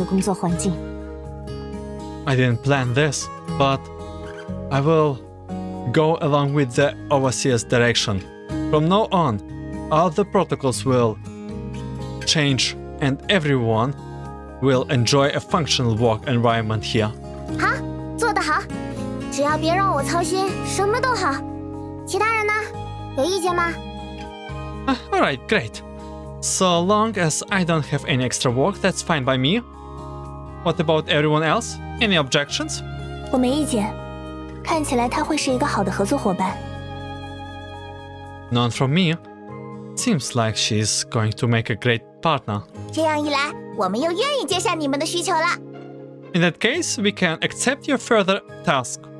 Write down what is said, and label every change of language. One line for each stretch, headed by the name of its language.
Chinese: 虽然我的本意并非如此，但我会接受主教的安排，我会更改这里的规章制度，让大家有一个正常的工作环境。
English: I didn't plan this, but I will go along with the overseer's direction. From now on, all the protocols will change and everyone will enjoy a functional work environment here.
Chinese: 好，做得好。只要别让我操心，什么都好。其他人呢？有意见吗？
English: Alright, great. So long as I don't have any extra work, that's fine by me. What about everyone else? Any objections?
Chinese: 我没意见。看起来他会是一个好的合作伙伴。
English: None from me. Seems like she's going to make a great partner.
Chinese: 这样一来，我们又愿意接下你们的需求了。
English: In that case, we can accept your further task.